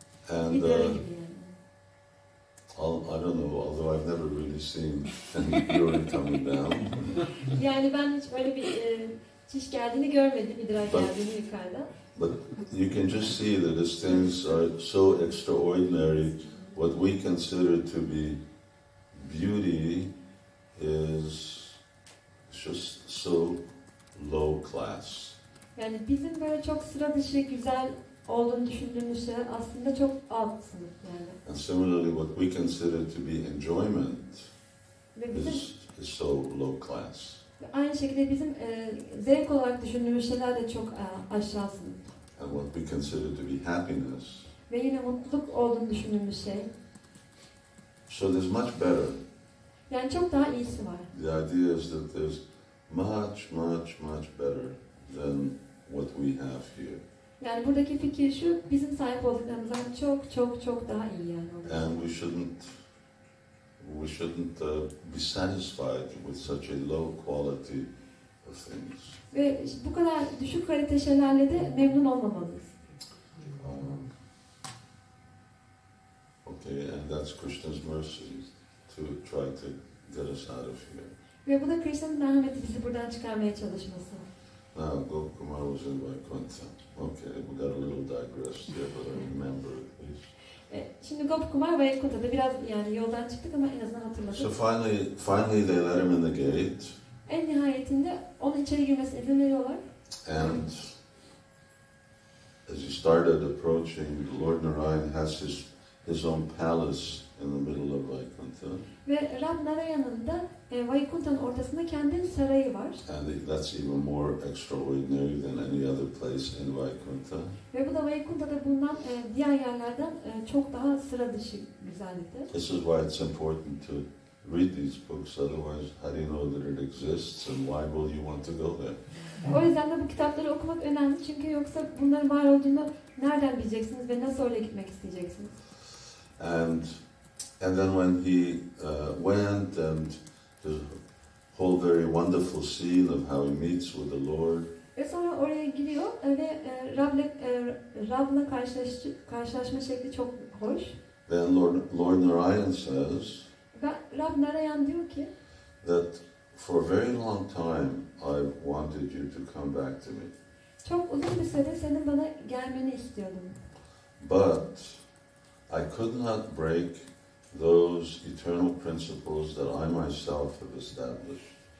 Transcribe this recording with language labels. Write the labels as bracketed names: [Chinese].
[English] And I don't know, although I've never really seen any urine coming down. [Turkish] Yani ben hiç böyle bir çiş geldiğini görmedim, idrar geldiğini yukarıda. [English] But you can just see that these things are so extraordinary. What we consider to be beauty is just so low class. [Turkish] Yani bizim böyle çok sıra dışı güzel olduğunu düşündüğümüz şey aslında çok alt sınıf yani. [English] And similarly, what we consider to be enjoyment is so low class. [Turkish] Aynı şekilde bizim zevk olarak düşündüğümüz şeyler de çok aşağı sınıf. [English] And what we consider to be happiness. [Turkish] Ve yine mutluluk olduğunu düşündüğümüz şey. [English] So there's much better. [Turkish] Yani çok daha iyisi var. [English] The idea is that there's much, much, much better than what we have here. [Turkish] Yani buradaki fikir şu, bizim sahip olduklarımızdan çok çok çok daha iyi yani. [English] And we shouldn't be satisfied with such a low quality of things. [Turkish] Ve bu kadar düşük kalite şeylerle de memnun olmamalıyız. [English] Okay, and that's Krishna's mercy to try to get us out of here. [Turkish] Ve bu da Krishna'nın merhameti bizi buradan çıkarmaya çalışması. [English] Now, Gopa-kumāra was in Vaikuntha. Okay, we got a little digressed here, but I remember at least. [Turkish] Şimdi Gopa-kumāra Vaikuntha'da biraz yani yoldan çıktık ama en azından hatırladık. [English] So finally they let him in the gate. [Turkish] En nihayetinde onun içeri girmesi izinliyorlar. [English] And as he started approaching, Lord Narayan has his own palace in the middle of Vaikuntha. [Turkish] Ve Rab Narayan'ın da Vaikuntha'nın ortasında kendi sarayı var. [English] And that's even more extraordinary than any other place in Vaikuntha. [Turkish] Ve bu da Vaikuntha'da bulunan diğer yerlerden çok daha sıra dışı güzellikte. [English] This is why it's important to read these books, otherwise how do you know that it exists and why will you want to go there? [Turkish] O yüzden de bu kitapları okumak önemli çünkü yoksa bunların var olduğunu nereden bileceksiniz ve nasıl oraya gitmek isteyeceksiniz? [English] And then when he went and the whole very wonderful scene of how he meets with the Lord. [Turkish] Ve sonra oraya gidiyor ve Rab'la karşılaşma şekli çok hoş. [English] Then Lord Narayan says. [Turkish] Ve Rab Narayan diyor ki. [English] That for a very long time I've wanted you to come back to me. [Turkish] Çok uzun bir süre senin bana gelmeni istiyordum. [English] But I could not break those eternal principles that I myself have established.